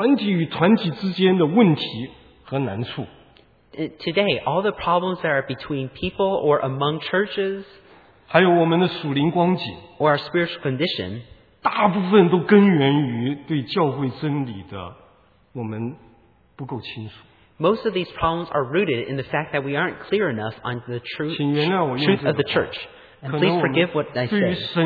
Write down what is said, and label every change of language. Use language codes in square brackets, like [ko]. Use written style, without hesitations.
[zh] 今天所有神儿女们中间，好，我们无论是个人的、团体的，或者是团体与团体之间的问题和难处。 [en] Today, all the problems that are between people or among churches, [zh] 还有我们的属灵光景, [en] or our spiritual condition, [zh] 大部分都根源于对教会真理的我们不够清楚。 [en] Most of these problems are rooted in the fact that we aren't clear enough on the truth of the church. And please forgive what I said.